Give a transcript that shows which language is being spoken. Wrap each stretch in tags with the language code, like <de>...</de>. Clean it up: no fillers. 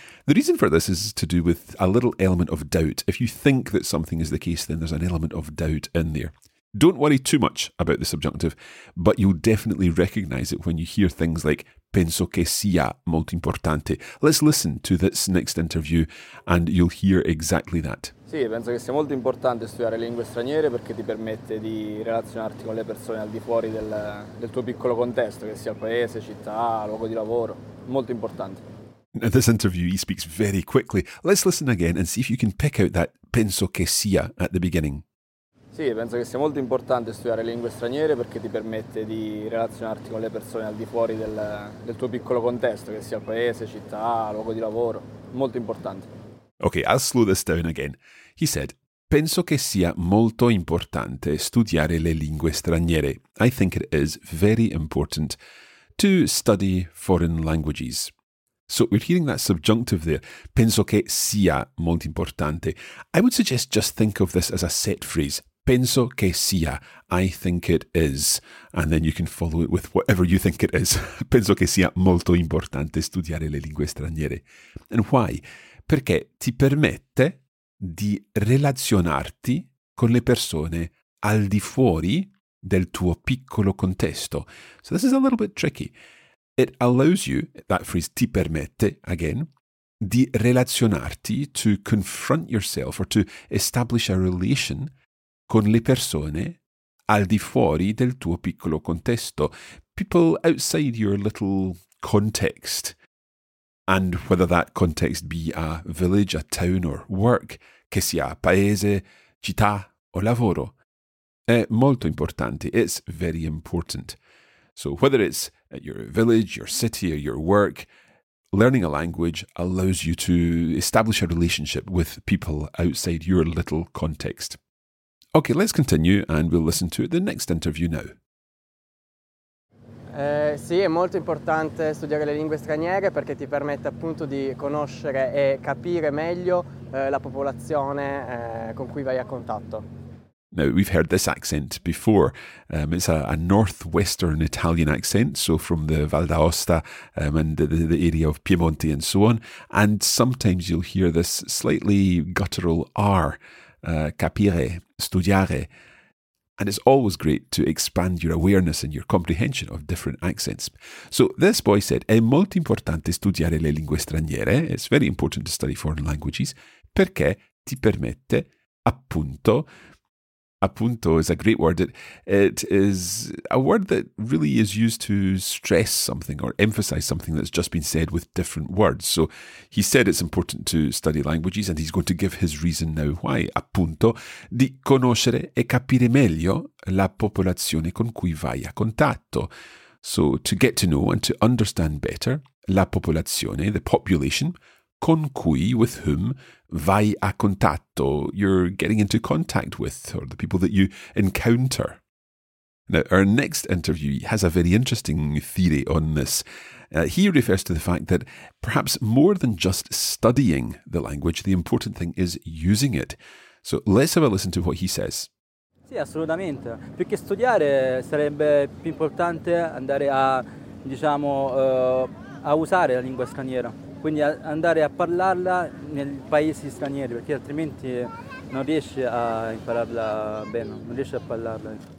<en>The reason for this is to do with a little element of doubt. If you think that something is the case, then there's an element of doubt in there. Don't worry too much about the subjunctive, but you'll definitely recognize it when you hear things like</en> <it>penso che sia molto importante.</it> <en>Let's listen to this next interview and you'll hear exactly that.</en> <it>Sì, penso che sia molto importante studiare lingue straniere perché ti permette di relazionarti con le persone al di fuori del tuo piccolo contesto, che sia il paese, città, luogo di lavoro. Molto importante.</it> <en>Now, this interview, he speaks very quickly. Let's listen again and see if you can pick out that</en> <it>penso che sia</it> <en>at the beginning.</en> <it>Sì, penso che sia molto importante studiare lingue straniere perché ti permette di relazionarti con le persone al di fuori del tuo piccolo contesto, che sia il paese, città, luogo di lavoro. Molto importante.</it> <en>Ok, I'll slow this down again. He said,</en> <it>penso che sia molto importante studiare le lingue straniere.</it> <en>I think it is very important to study foreign languages. So we're hearing that subjunctive there,</en> <it>penso che sia molto importante.</it> <en>I would suggest just think of this as a set phrase.</en> <it>Penso che sia,</it> <en>I think it is, and then you can follow it with whatever you think it is.</en> <it>Penso che sia molto importante studiare le lingue straniere.</it> <en>And why?</en> <it>Perché ti permette di relazionarti con le persone al di fuori del tuo piccolo contesto.</it> <en>So this is a little bit tricky. It allows you, that phrase</en> <it>ti permette,</it> <en>again,</en> <it>di relazionarti,</it> <en>to confront yourself or to establish a relation</en> <it>con le persone al di fuori del tuo piccolo contesto.</it> <en>People outside your little context. And whether that context be a village, a town or work,</en> <it>che sia paese, città o lavoro, è molto importante.</it> <en>It's very important. So whether it's at your village, your city or your work, learning a language allows you to establish a relationship with people outside your little context. Okay, let's continue and we'll listen to the next interview now.</en> <it>Sì, è molto importante studiare le lingue straniere perché ti permette appunto di conoscere e capire meglio la popolazione con cui vai a contatto.</it> <en>Now, we've heard this accent before. It's a northwestern Italian accent, so from the Val d'Aosta and the area of Piemonte and so on. And sometimes you'll hear this slightly guttural R, capire, studiare. And it's always great to expand your awareness and your comprehension of different accents. So this boy said,</en> <it>è molto importante studiare le lingue straniere.</it> <en>It's very important to study foreign languages</en> <it>perché ti permette appunto.</it> <en>Appunto is a great word. It is a word that really is used to stress something or emphasize something that's just been said with different words. So he said it's important to study languages and he's going to give his reason now why.</en> <it>Appunto, di conoscere e capire meglio la popolazione con cui vai a contatto.</it> <en>So to get to know and to understand better</en> <it>la popolazione,</it> <en>the population,</en> <it>con cui,</it> <en>with whom,</en> <it>vai a contatto,</it> <en>you're getting into contact with, or the people that you encounter. Now, our next interview has a very interesting theory on this. He refers to the fact that perhaps more than just studying the language, the important thing is using it. So let's have a listen to what he says.</en> <it>Sì, assolutamente. Più che studiare, sarebbe più importante andare a, diciamo, a usare la lingua straniera. Quindi andare a parlarla nei paesi stranieri, perché altrimenti non riesci a impararla bene, non riesci a parlarla.</it>